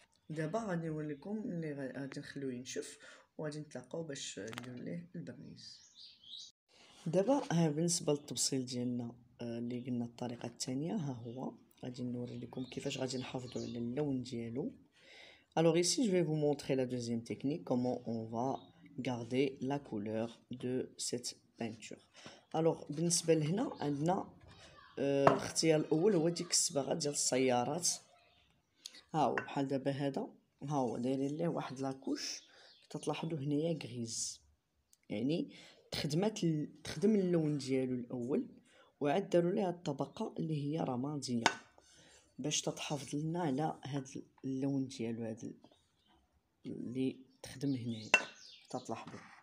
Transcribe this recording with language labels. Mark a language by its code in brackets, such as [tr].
[ar] دابا غادي نوريكم اللي غادي نخليوه ينشف وغادي نتلاقاو باش ندير ليه البرنيس. دابا ها بالنسبه للتبصيل ديالنا اللي قلنا الطريقه الثانيه، ها هو غادي نوري لكم كيفاش غادي نحافظوا على اللون ديالو. [fr] الوغ ici je vais vous montrer la deuxième technique, comment on va garder la couleur de cette peinture. [ar] الوغ بالنسبه لهنا عندنا الاختيار الاول هو ديك الصباغه ديال السيارات. ها هو بحال دابا هذا، ها هو دايرين ليه واحد لاكوش كتلاحظوا هنايا غريز، يعني تخدم اللون ديالو الاول وعاد داروا ليه الطبقه اللي هي رماديه باش تحافظ لنا على هذا اللون ديالو هذا اللي تخدم هنا تلاحظوا.